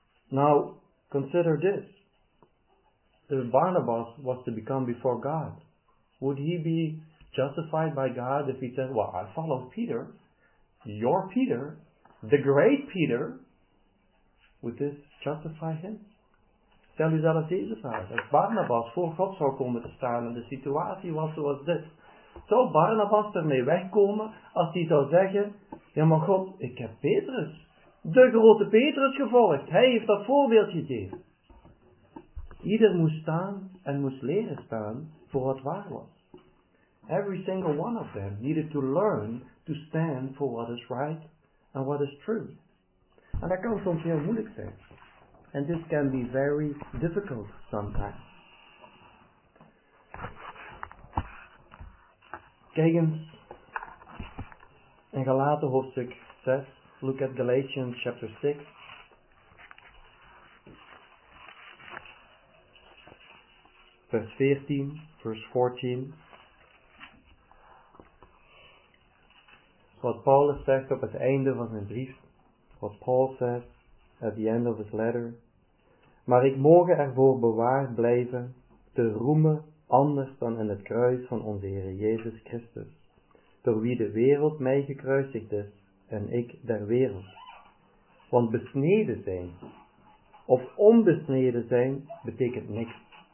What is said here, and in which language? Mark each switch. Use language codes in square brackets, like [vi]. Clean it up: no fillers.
[en] Now, consider this. If Barnabas was to become before God, would he be justified by God if he said, well, I follow Peter, your Peter, the great Peter? Would this justify him? [nl] Stel u zelf deze vraag. Als Barnabas voor God zou komen te staan en de situatie was zoals dit, zou Barnabas ermee wegkomen als hij zou zeggen, ja maar God, ik heb Petrus. De grote Petrus gevolgd. Hij heeft dat voorbeeld gegeven. Ieder moest staan en moest leren staan voor wat waar was. [en] Every single one of them needed to learn to stand for what is right and what is true. [nl] En dat kan soms heel moeilijk zijn. [en] And this can be very difficult sometimes. [nl] Kijkens, in Galaten hoofdstuk 6, [en] look at Galatians chapter 6. [nl] Vers 14, vers 14. Wat Paulus zegt op het einde van zijn brief. Wat Paul zegt [en] at the end of his letter. [nl] Maar ik mogen ervoor bewaard blijven te roemen anders dan in het kruis van onze Heer Jezus Christus. Door wie de wereld mij gekruisigd is en ik der wereld. Want besneden zijn of onbesneden zijn betekent niks.